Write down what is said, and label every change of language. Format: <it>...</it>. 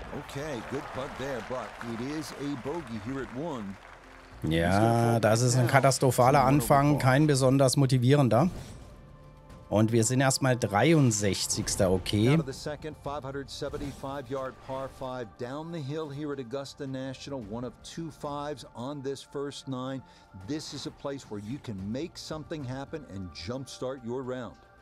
<en>Okay, good putt there, but it is a bogey here at one.</en> <de>Ja, das ist ein katastrophaler Anfang, kein besonders motivierender. Und wir sind erstmal 63. Okay.</de> <en>Now to the second 575-yard par 5 down the hill here at Augusta National, one of two fives on this first nine. This is a place where you can make something happen and jumpstart your round.</en>